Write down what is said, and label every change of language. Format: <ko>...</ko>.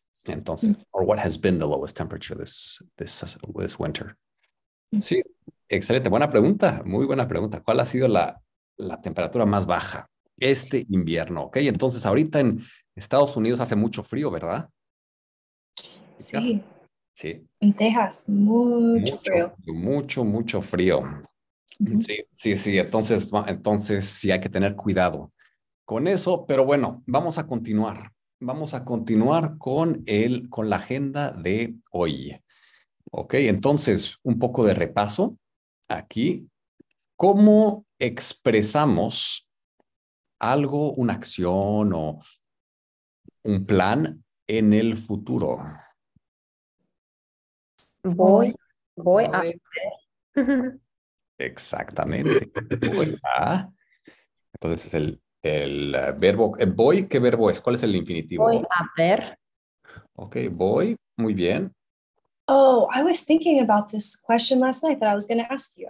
<en>Entonces, or what has been the lowest temperature this winter?</en> <es>Sí, excelente. Buena pregunta. Muy buena pregunta. ¿Cuál ha sido la temperatura más baja este invierno? Ok, entonces ahorita en Estados Unidos hace mucho frío, ¿verdad? Sí. ¿Ya? Sí. En Texas, mucho frío. Mucho, mucho frío. Uh-huh. Sí. Entonces sí hay que tener cuidado con eso. Pero bueno, vamos a continuar. Vamos a continuar con la agenda de hoy. Ok, entonces, un poco de repaso aquí. ¿Cómo expresamos algo, una acción o un plan en el futuro? Voy a... Exactamente. Voy a... Entonces, es el verbo, voy, ¿qué verbo es? ¿Cuál es el infinitivo? Voy a ver. Ok, voy, muy bien.</es> <en>Oh, I was thinking about this question last night that I was going to ask you.</en>